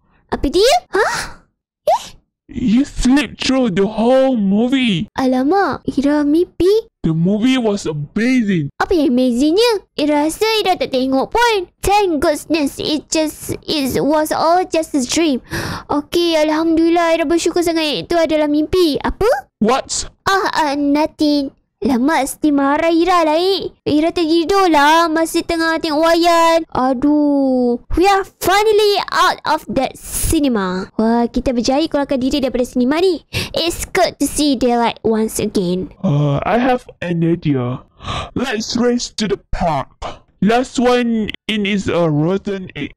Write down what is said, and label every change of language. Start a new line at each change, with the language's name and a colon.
Malay: Apa dia?
English: You slept through the whole movie!
Malay: Alamak, Ira mimpi?
English: The movie was amazing.
Malay: Apa yang amazingnya? I rasa I dah tak tengok pun.
English: Thank goodness, it was all just a dream.
Malay: Okay, Alhamdulillah, I dah bersyukur sangat itu adalah mimpi. Apa?
English: What?
Malay: Nothing. Lemak, mesti marah Ira lah. Ira tergidur lah, masih tengah tengok wayang. Aduh.
English: We are finally out of that cinema.
Malay: Wah, kita berjaya keluarkan diri daripada cinema ni.
English: It's good to see daylight once again. I have an idea. Let's race to the park. Last one in is a rotten egg.